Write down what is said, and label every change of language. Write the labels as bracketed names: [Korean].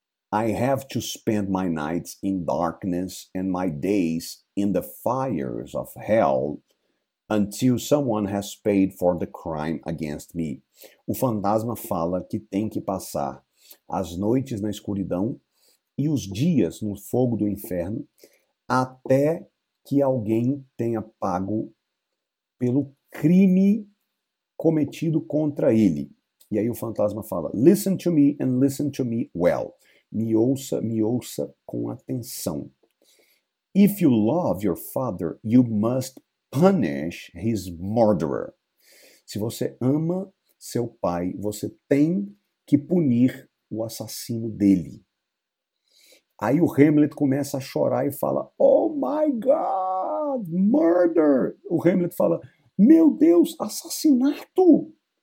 [English] I have to spend my nights in darkness and my days in the fires of hell until someone has paid for the crime against me. [Portuguese] O fantasma fala que tem que passar as noites na escuridão e os dias no fogo do inferno até que alguém tenha pago pelo crime cometido contra ele. E aí o fantasma fala: [English] Listen to me and listen to me well. [Portuguese] Me ouça com atenção. [English] If you love your father, you must punish his murderer. [Portuguese] Se você ama seu pai, você tem que punir o assassino dele. Aí o Hamlet começa a chorar e fala: [English] Oh my God, murder! [Portuguese] O Hamlet fala: Meu Deus, assassinato!